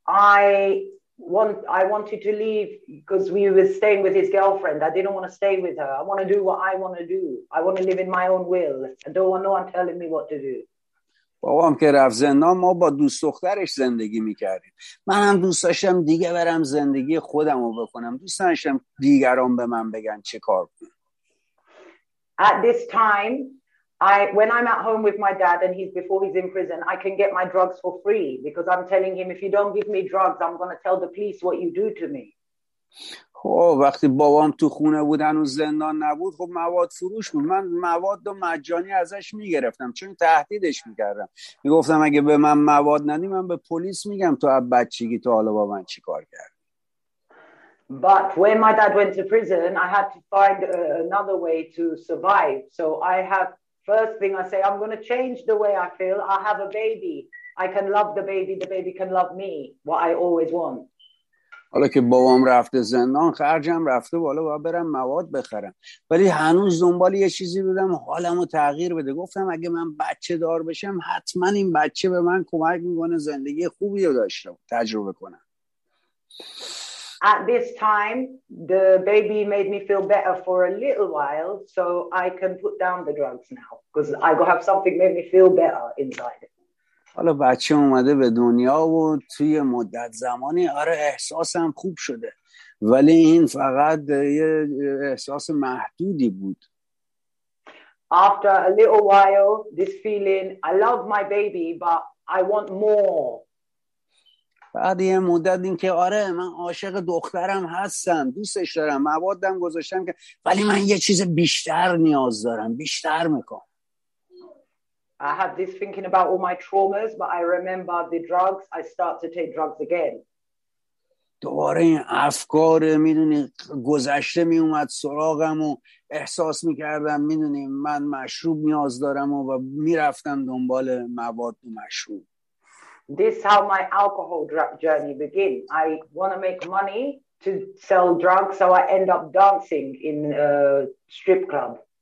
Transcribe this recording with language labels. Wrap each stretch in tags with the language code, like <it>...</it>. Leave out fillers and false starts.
<en>I wanted to leave because we were staying with his girlfriend. I didn't want to stay with her. I want to do what I want to do. I want to live in my own will. I don't want no one telling me what to do.</en> <fa>بابام که رفت زندان ما با دوست دخترش زندگی میکردیم. من هم دوست داشتم دیگه برم زندگی خودم رو بکنم. دوست داشتم دیگران به من بگن چه کار کنم.</fa> <en>At this time, when I'm at home with my dad and he's before he's in prison, I can get my drugs for free because I'm telling him, if you don't give me drugs, I'm going to tell the police what you do to me.</en> <fa>وقتی بابام تو خونه بودن و زندان نبود خب مواد فروش بود. من مواد رو مجانی ازش میگرفتم چون تهدیدش میکردم. میگفتم اگه به من مواد ندی من به پلیس میگم تو از بچگی تا حالا با من چی کار کردی.</fa> <en>But when my dad went to prison, I had to find another way to survive. So I have first thing I say, I'm going to change the way I feel. I have a baby. I can love the baby. The baby can love me. What I always want.</en> <fa>حالا که بابام رفته زندان خرجم رفته بالا باید برم مواد بخرم ولی هنوز دنبال یه چیزی بودم حالم رو تغییر بده. گفتم اگه من بچه دار بشم حتما این بچه به من کمک میکنه زندگی خوبی رو داشته تجربه کنم.</fa> <en>At this time the baby made me feel better for a little while so I can put down the drugs now because I have something made me feel better inside.</en> <fa>حالا بچه اومده به دنیا و توی مدت زمانی آره احساسم خوب شده ولی این فقط یه احساس محدودی بود.</fa> <en>After a little while this feeling I love my baby but I want more.</en> <fa>بعد یه مدت این که آره من عاشق دخترم هستم دوستش دارم موادم گذاشتم که ولی من یه چیز بیشتر نیاز دارم بیشتر میکنم.</fa> <en>I had this thinking about all my traumas, but I remember the drugs. I start to take drugs again.</en> <fa>دوباره این افکار میدونی گذشته میومد سراغم و احساس میکردم میدونی من مشروب نیاز دارم و میرفتم دنبال مواد مشروب.</fa> <en>This is how my alcohol journey begin. I want to make money to sell drugs, so I end up dancing in a strip club.</en>